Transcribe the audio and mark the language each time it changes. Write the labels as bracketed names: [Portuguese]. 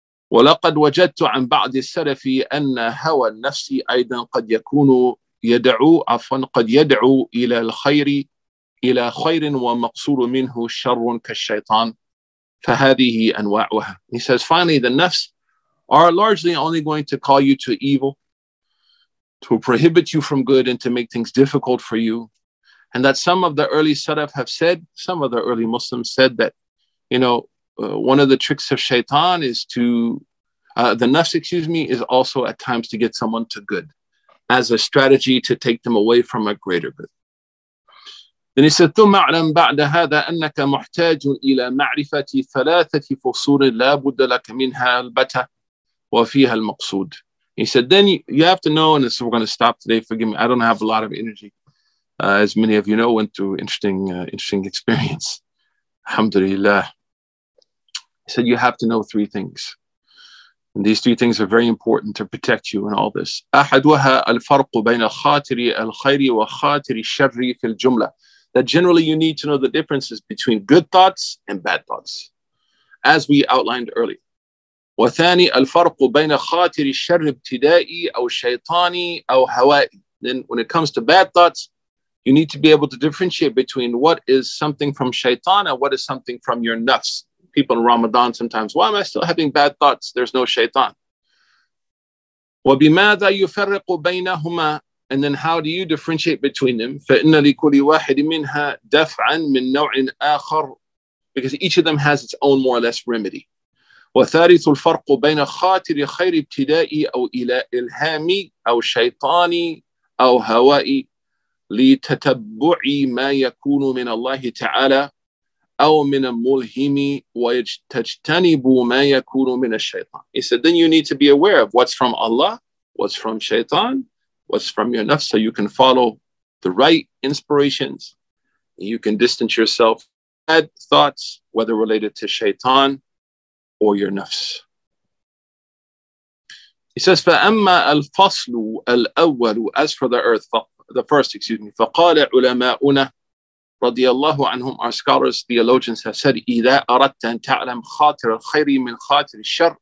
[Arabic] وَلَقَدْ وَجَدْتُ عَنْ بَعْدِ السَّلَفِ أَنَّ هَوَى النَّفْسِ أَيْضًا قَدْ يَكُونُ يَدْعُو عَفْوًا قَدْ يَدْعُو إِلَى الْخَيْرِ إِلَى خَيْرٍ وَمَقْصُورٌ مِنْهُ شَرٌّ كَالشَّيْطَانِ فَهَذِهِ أَنْوَاعُهَا. [English] He says, finally, the nafs are largely only going to call you to evil, to prohibit you from good, and to make things difficult for you. And that some of the early Salaf have said, some of the early Muslims said that, you know, one of the tricks of Shaytan is to, the nafs, is also at times to get someone to good as a strategy to take them away from a greater good. Then he said, [Arabic] ثُمَّ أَعْلَمْ بَعْدَ هَذَا أَنَّكَ مُحْتَاجٌ إِلَى مَعْرِفَةِ ثَلَاثَةِ فُصُولٍ لَا بُدَّ لَكَ مِنْهَا الْبَتَى وَفِيهَا الْمَقْصُودِ. [English] He said, then you have to know, and this, we're going to stop today, forgive me, I don't have a lot of energy. As many of you know, went through interesting experience. Alhamdulillah. He said, you have to know three things. And these three things are very important to protect you in all this. [Arabic] أَحَدُوهَا الْفَرْقُ بَيْنَ الْخَاتِرِ الْخَيْرِ وَخَاتِرِ الشَّرِّ فِي الْجُمْلَةِ. [English] That generally you need to know the differences between good thoughts and bad thoughts, as we outlined earlier. [Arabic] وثاني الفرق بين خاطر الشر ابتدائي أو شيطاني أو هوائي. [English] Then when it comes to bad thoughts, you need to be able to differentiate between what is something from shaitan and what is something from your nafs. People in Ramadan sometimes, why am I still having bad thoughts? There's no shaitan. [Arabic] وبماذا يفرق بينهما. [English] And then how do you differentiate between them? [Arabic] فَإِنَّ لِكُلِ وَاحِدٍ مِنْهَا دَفْعًا مِنْ نَوْعٍ آخَرٍ. [English] Because each of them has its own more or less remedy. [Arabic] وَثَارِثُ الْفَرْقُ بَيْنَ خَاطِرِ خَيْرِ ابْتِدَائِي أَوْ إِلَى إِلْهَامِي أَوْ شَيْطَانِي أَوْ هَوَائِي لِتَتَبُّعِ مَا يَكُونُ مِنَ اللَّهِ تَعَالَى أَوْ مِنَ الْمُلْهِمِ وَيَجْتَجْتَنِبُ مَا يَكُونُ مِنَ الشَّيْطَانِ. [English] He said, then you need to be aware of what's from Allah, what's from shaitan, what's from your nafs, so you can follow the right inspirations. You can distance yourself from bad thoughts, whether related to shaitan or your nafs. He says, [Arabic] فَأَمَّا الْفَصْلُ الْأَوَّلُ. [English] As for the earth, the first, [Arabic] فَقَالَ عُلَمَاؤُنَا رَضِيَ اللَّهُ عَنْهُمْ. [English] Our scholars, theologians have said, [Arabic] إِذَا أَرَدْتَ أَن تَعْلَمْ خَاطِرَ الْخَيْرِ مِنْ خَاطِرِ الشَّرِ.